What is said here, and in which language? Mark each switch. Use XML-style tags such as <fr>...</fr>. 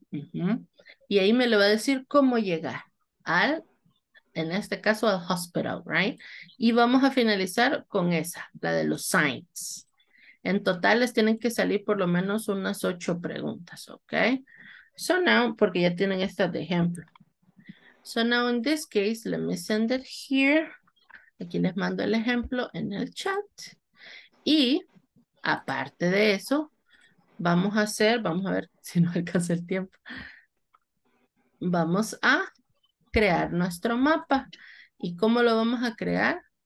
<es>Y ahí me le va a decir cómo llegar al, en este caso, al hospital, right? Y vamos a finalizar con esa, la de los signs. En total les tienen que salir por lo menos unas 8 preguntas, ¿ok?</es> <en>So now,</en> <es>porque ya tienen estas de ejemplo.</es> <en>So now in this case, let me send it here.</en> <es>Aquí les mando el ejemplo en el chat. Y aparte de eso, vamos a ver si nos alcanza el tiempo. Vamos a crear nuestro mapa. ¿Y cómo lo vamos a crear?</es>